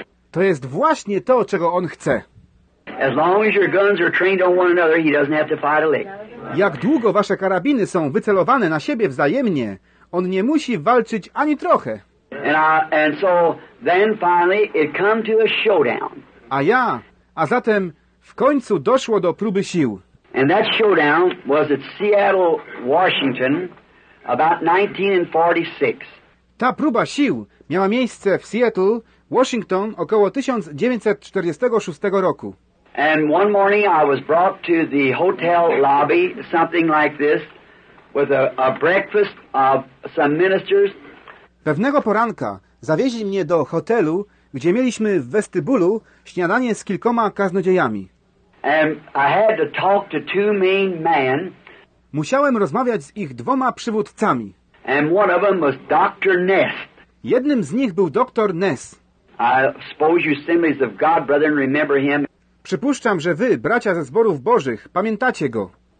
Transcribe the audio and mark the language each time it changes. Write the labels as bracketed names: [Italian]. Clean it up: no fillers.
[Polish] To jest właśnie to, czego on chce. [English] As long as your guns are trained on one another, he doesn't have to fight a lick. [Polish] Jak długo wasze karabiny są wycelowane na siebie wzajemnie, on nie musi walczyć ani trochę. [English] And then finally it come to a showdown. [Polish] A zatem w końcu doszło do próby sił. [English] And that showdown was at Seattle, Washington, about 1946. [Polish] Ta próba sił miała miejsce w Seattle, Washington, około 1946 roku. [English] And one morning I was brought to the hotel lobby, something like this, with a breakfast of some ministers. [Polish] Pewnego poranka zawieźli mnie do hotelu, gdzie mieliśmy w westybulu śniadanie z kilkoma kaznodziejami. [English] And I had to talk to two main men. [Polish] Musiałem rozmawiać z ich dwoma przywódcami. [English] And one of them was Dr. Ness. [Polish] Jednym z nich był Dr. Ness. [English] I suppose you Assemblies of God, brethren, remember him. [Polish] Przypuszczam, że wy, bracia ze Zborów Bożych, pamiętacie go.